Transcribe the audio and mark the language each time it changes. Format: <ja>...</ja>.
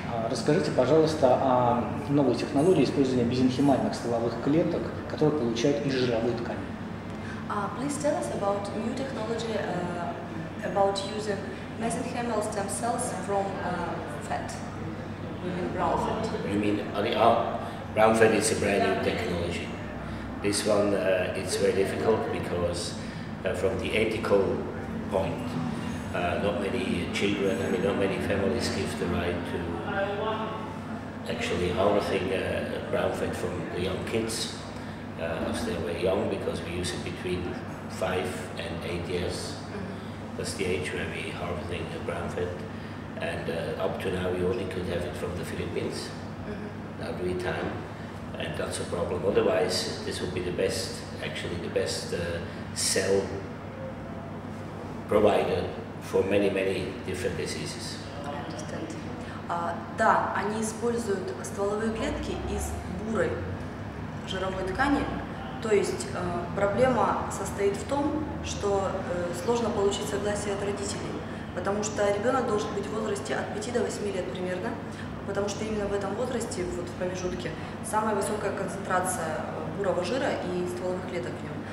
<ru>Расскажите, пожалуйста, о новой технологии использования мезенхимальных стволовых клеток, которые получают из жировой ткани.</ru> <en>Please tell us about new technology about using mesenchymal stem cells from fat. You mean brown fat? You mean brown fat is a brand new technology. This one it's very difficult because from the ethical point, not many children, I mean, not many families give the right to actually harvesting brown fat from the young kids as they were young, because we use it between 5 and 8 years. Mm-hmm. That's the age where we harvesting the brown fat. And up to now, we only could have it from the Philippines every time, and that's a problem. Otherwise, this would be the best, actually the best cell provider for many, many different diseases. I understand.</en> <ru>Да, они используют стволовые клетки из бурой жировой ткани. То есть проблема состоит в том, что сложно получить согласие от родителей. Потому что ребенок должен быть в возрасте от 5 до 8 лет примерно, потому что именно в этом возрасте, вот в промежутке, самая высокая концентрация бурого жира и стволовых клеток в нем.</ru>